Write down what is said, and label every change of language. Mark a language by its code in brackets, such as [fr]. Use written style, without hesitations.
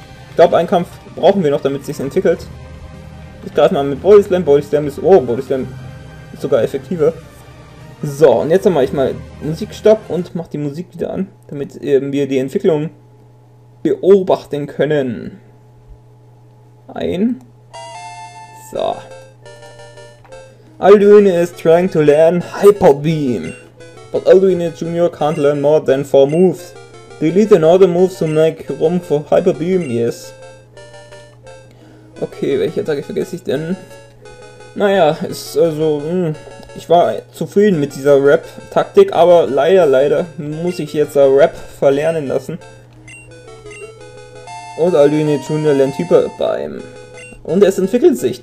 [de] Ich glaube, einen Kampf brauchen wir noch, damit es sich entwickelt. Ich greife mal mit Body Slam. Body Slam ist. Oh, Body Slam ist sogar effektiver. So, und jetzt mache ich mal Musikstopp und mache die Musik wieder an, damit wir die Entwicklung beobachten können. Ein. So. [en] Alduin is trying to learn Hyper Beam. But Alduin Jr. can't learn more than 4 moves. Delete another move to make room for Hyper Beam, yes. [de] Okay, welche Attacke vergesse ich denn? Naja, ist also... ich war zufrieden mit dieser Rap-Taktik, aber leider muss ich jetzt Rap verlernen lassen. Und Alduin Jr. lernt Hyper Beam. Und es entwickelt sich.